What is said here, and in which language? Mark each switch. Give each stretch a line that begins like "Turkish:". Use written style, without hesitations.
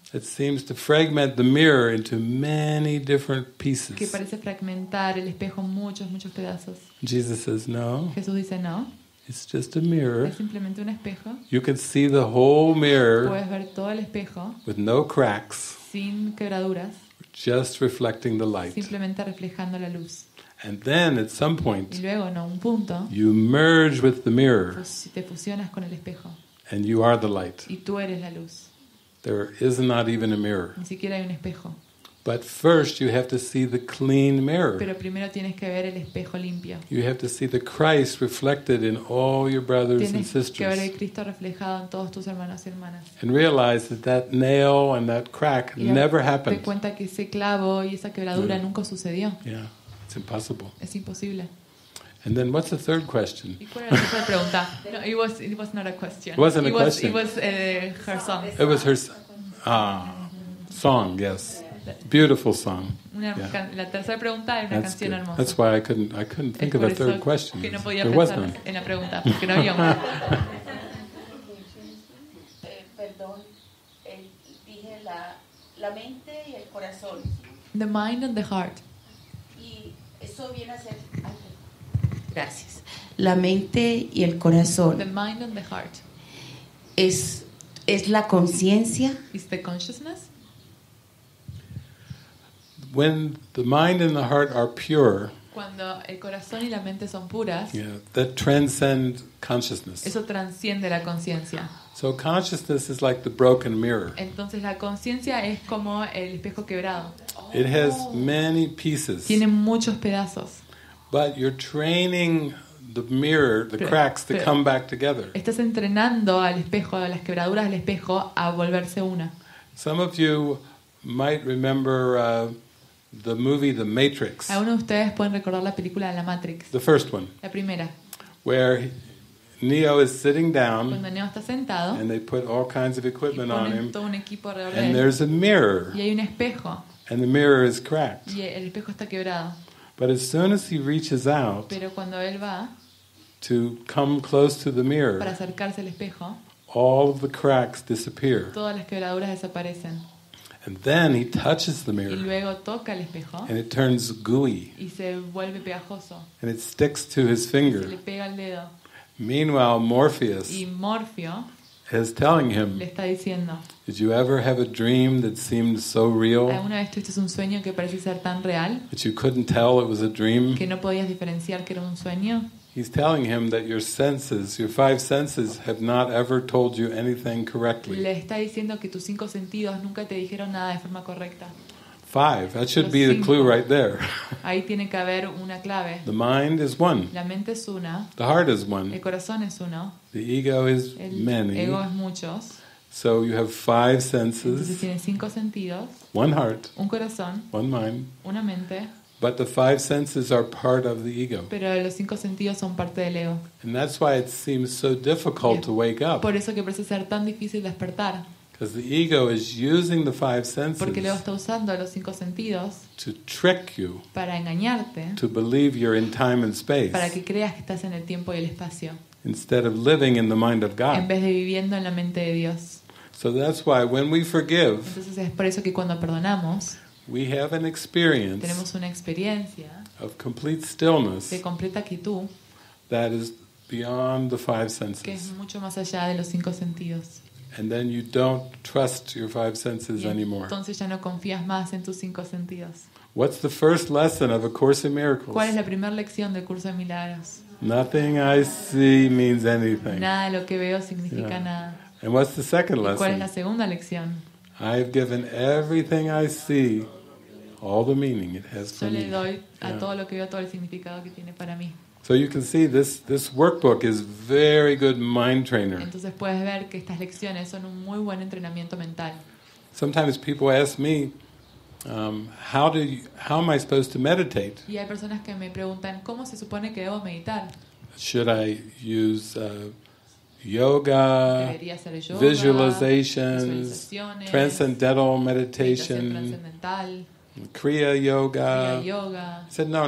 English: It seems to fragment the mirror into many different pieces.
Spanish: Que parece fragmentar el espejo en muchos, muchos pedazos.
English: Jesus says no.
Spanish: Jesús dice no.
English: It's just a mirror.
Spanish: Es simplemente un espejo.
English: You can see the whole mirror.
Spanish: Puedes ver todo el espejo.
English: With no cracks.
Spanish: Sin quebraduras.
English: Just reflecting the light.
Spanish: Simplemente reflejando la luz.
English: And then at some point.
Spanish: Y luego en un punto.
English: You merge with the mirror.
Spanish: Te fusionas con el espejo.
English: And you are the light.
Spanish: Y tú eres la luz.
English: There is not even a mirror.
Spanish: Ni siquiera hay un espejo.
English: But first you have to see the clean mirror.
Spanish: Pero primero tienes que ver el espejo limpio.
English: You have to see the Christ reflected in all your brothers and sisters.
Spanish: Tienes que ver el Cristo reflejado en todos tus hermanos y hermanas.
English: And realize that nail and that crack never happened.
Spanish: Te cuenta que ese clavo y esa quebradura nunca sucedió.
English: Yeah, it's impossible.
Spanish: Es imposible.
English: And then what's the third question? No, it was not a question. It wasn't a question. It was her song. It was her song, yes. Beautiful song.
Spanish: La tercera pregunta es una canción hermosa.
English: That's why I couldn't think of a third question.
Spanish: Que no podía
English: there
Spanish: pensar
English: wasn't.
Spanish: En la pregunta, porque no había una. Perdón, dije la la mente y el corazón.
English: The mind and the heart.
Spanish: Y eso viene a ser. Gracias. La mente y el corazón.
English: The mind and the heart.
Spanish: Es la conciencia.
English: Is the consciousness. When the mind and the heart are pure.
Spanish: Cuando el corazón y la mente son puras.
English: Yeah, that transcend consciousness.
Spanish: Eso transciende la conciencia.
English: So consciousness is like the broken mirror.
Spanish: Entonces la conciencia es como el espejo quebrado.
English: It has many pieces.
Spanish: Tiene muchos pedazos.
English: But you're training the mirror, the cracks to come back together.
Spanish: Estás entrenando al espejo, a las quebraduras del espejo a volverse una.
English: Some of you might remember the movie The Matrix.
Spanish: ¿Alguno de ustedes pueden recordar la película de La Matrix?
English: The first one.
Spanish: La primera.
English: Where Neo is sitting down.
Spanish: Cuando Neo está sentado.
English: And they put all kinds of equipment on him.
Spanish: Y ponen todo un equipo alrededor.
English: And there's a mirror.
Spanish: Y hay un espejo.
English: And the mirror is cracked.
Spanish: Y el espejo está quebrado.
English: But as soon as he reaches out.
Spanish: Pero cuando él va.
English: To come close to the mirror.
Spanish: Para acercarse al espejo.
English: All of the cracks disappear.
Spanish: Todas las quebraduras desaparecen.
English: And then he touches the mirror.
Spanish: Y luego toca el espejo.
English: And it turns gooey.
Spanish: Y se vuelve pegajoso.
English: And it sticks to his finger.
Spanish: Y se le pega el dedo.
English: Meanwhile, Morpheus.
Spanish: Y Morfeo.
English: Is telling him.
Spanish: Le está diciendo.
English: Did you ever have a dream that seemed so real?
Spanish: ¿Alguna vez tuviste un sueño que parece ser tan real?
English: That you couldn't tell it was a dream.
Spanish: Que no podías diferenciar que era un sueño.
English: He's telling him that your senses, your five senses, have not ever told you anything correctly.
Spanish: Le está diciendo que tus cinco sentidos nunca te dijeron nada de forma correcta.
English: Five. That should be the clue right there.
Spanish: Ahí tiene que haber una clave.
English: The mind is one.
Spanish: La mente es una.
English: The heart is one.
Spanish: El corazón es uno.
English: The ego is many.
Spanish: El ego es muchos.
English: So you have five senses.
Spanish: Entonces tienes cinco sentidos.
English: One heart.
Spanish: Un corazón.
English: One mind.
Spanish: Una mente.
English: But the five senses are part of the ego.
Spanish: Pero los cinco sentidos son parte del ego.
English: And that's why it seems so difficult to wake up.
Spanish: Por eso que parece ser tan difícil despertar.
English: Because the ego is using the five senses.
Spanish: Porque el ego está usando los cinco sentidos.
English: To trick you.
Spanish: Para engañarte.
English: To believe you're in time and space.
Spanish: Para que creas que estás en el tiempo y el espacio.
English: Instead of living in the mind of God.
Spanish: En vez de viviendo en la mente de Dios.
English: So that's why when we forgive.
Spanish: Entonces es por eso que cuando perdonamos.
English: We have an experience.
Spanish: Tenemos una experiencia.
English: Of complete stillness.
Spanish: De completa quietud.
English: That is beyond the five senses.
Spanish: Que es mucho más allá de los cinco sentidos.
English: And then you don't trust your five senses anymore.
Spanish: Entonces ya no confías más en tus cinco sentidos.
English: What's the first lesson of A Course in Miracles?
Spanish: ¿Cuál es la primera lección del curso de milagros?
English: Nothing I see means anything.
Spanish: Nada de lo que veo significa nada.
English: And what's the second lesson?
Spanish: ¿Cuál es la segunda lección?
English: I've given everything I see all the meaning it has for me.
Spanish: Yo le doy a todo lo que veo todo el significado que tiene para mí.
English: So you can see this workbook is very good mind trainer.
Spanish: Entonces puedes ver que estas lecciones son un muy buen entrenamiento mental.
English: Sometimes people ask me how am I supposed to meditate?
Spanish: Y hay personas que me preguntan cómo se supone que debo meditar.
English: Should I use yoga,
Spanish: debería hacer yoga,
English: visualizations, transcendental meditation,
Spanish: transcendental,
English: kriya yoga. I said no.